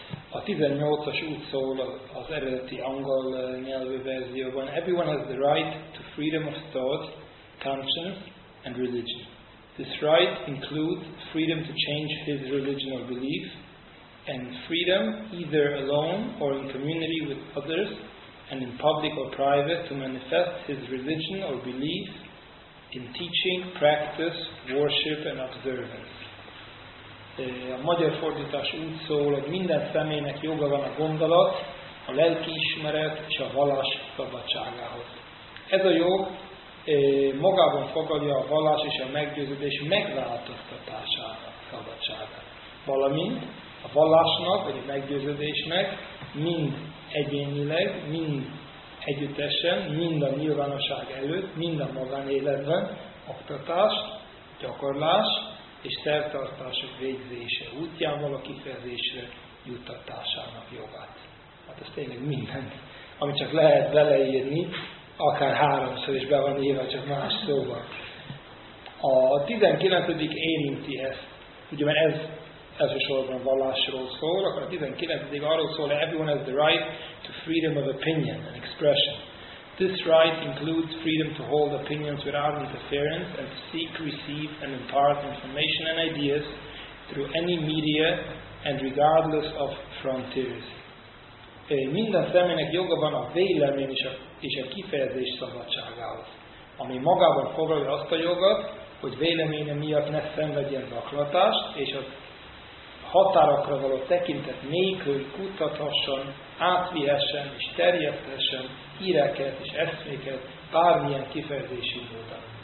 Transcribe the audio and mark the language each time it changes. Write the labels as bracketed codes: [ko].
[hu] A 18-as úgy szól az eredeti angol nyelvű verzióban: [en] Everyone has the right to freedom of thought, conscience and religion. This right includes freedom to change his religion or belief, and freedom, either alone or in community with others, and in public or private, to manifest his religion or belief in teaching, practice, worship and observance. [hu] A magyar fordítás úgy szól, hogy minden személynek joga van a gondolat, a lelkiismeret és a vallás szabadságához. Ez a jog magában fogadja a vallás és a meggyőződés megváltoztatására szabadságát, valamint a vallásnak vagy a meggyőződésnek mind egyénileg, mind együttesen, mind a nyilvánosság előtt, mind a magánéletben oktatás, gyakorlás és szertartások végzése útján való kifejezésre juttatásának jogát. Hát ez tényleg minden, amit csak lehet beleírni, akár háromszor is be van írva, csak más szóval. A 19. érinti ezt, ugye mert ez elsősorban vallásról szól, akkor a 19. arról szól, hogy [en] everyone has the right to freedom of opinion and expression. This right includes freedom to hold opinions without interference and to seek, receive and impart information and ideas through any media and regardless of frontiers. [hu] Minden személynek joga van a vélemény és a kifejezés szabadságához, ami magában foglalja azt a jogot, hogy véleménye miatt ne szenvedjen zaklatást, és a határokra való tekintet nélkül kutathasson, átvihessen és terjesztessen híreket és eszméket bármilyen kifejezési módon.